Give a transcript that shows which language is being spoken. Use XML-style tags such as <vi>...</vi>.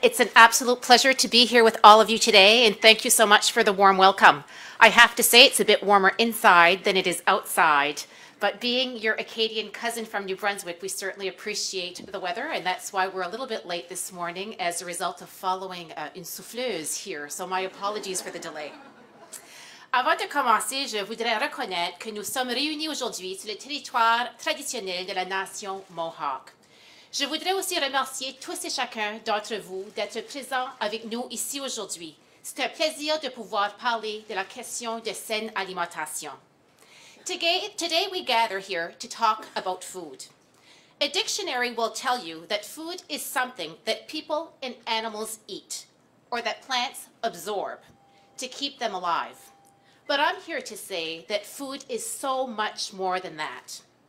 <en>It's an absolute pleasure to be here with all of you today, and thank you so much for the warm welcome. I have to say it's a bit warmer inside than it is outside, but being your Acadian cousin from New Brunswick, we certainly appreciate the weather, and that's why we're a little bit late this morning as a result of following</en> <fr>une souffleuse</fr> <en>here, so my apologies for the delay.</en> <fr>Avant de commencer, je voudrais reconnaître que nous sommes réunis aujourd'hui sur le territoire traditionnel de la nation Mohawk. Je voudrais aussi remercier tous et chacun d'entre vous d'être présents avec nous ici aujourd'hui. C'est un plaisir de pouvoir parler de la question de saine alimentation.</fr> <en>Today we gather here to talk about food. A dictionary will tell you that food is something that people and animals eat, or that plants absorb, to keep them alive. But I'm here to say that food is so much more than that.</en>